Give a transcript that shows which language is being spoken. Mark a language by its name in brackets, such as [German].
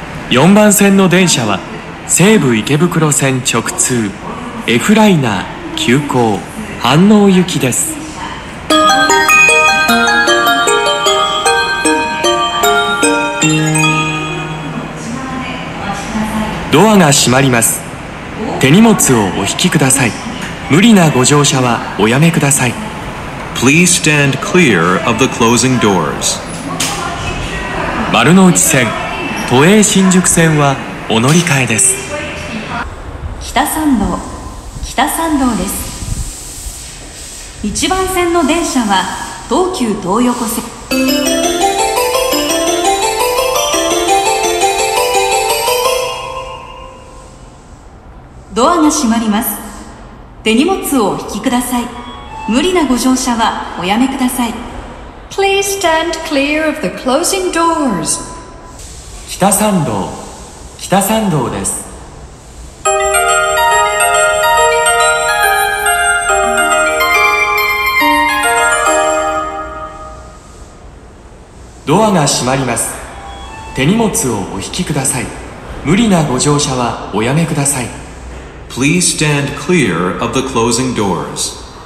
[Japanese] 4番線の電車は西武池袋線直通 F ライナー急行飯能行きです。ドアが閉まります。手荷物をお引きください。無理なご乗車はおやめください。 [English] Please stand clear of the closing doors. [Japanese] 丸の内線、都営新宿線はお乗り換えです。北参道です。 1番線の電車は東急東横線。ドアが閉まります。手荷物をお引きください。無理なご乗車はおやめください。 [English] Please stand clear of the closing doors. [Japanese] 北参道です。ドアが閉まります。手荷物をお引きください。無理なご乗車はおやめください。 [English] Please stand clear of the closing doors.